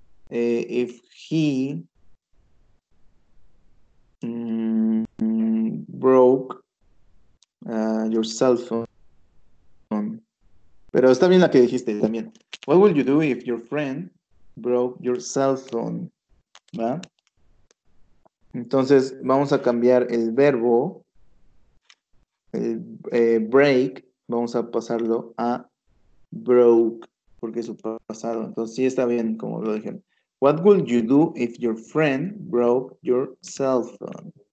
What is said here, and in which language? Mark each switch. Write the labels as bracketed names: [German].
[English] If he broke your cell phone. [Spanish] Pero está bien la que dijiste también. [English] What would you do if your friend broke your cell phone? [Spanish] ¿Va? Entonces vamos a cambiar el verbo, el break, vamos a pasarlo a broke, porque es su pasado. Entonces sí está bien como lo dije. [English] What would you do if your friend broke your cell phone?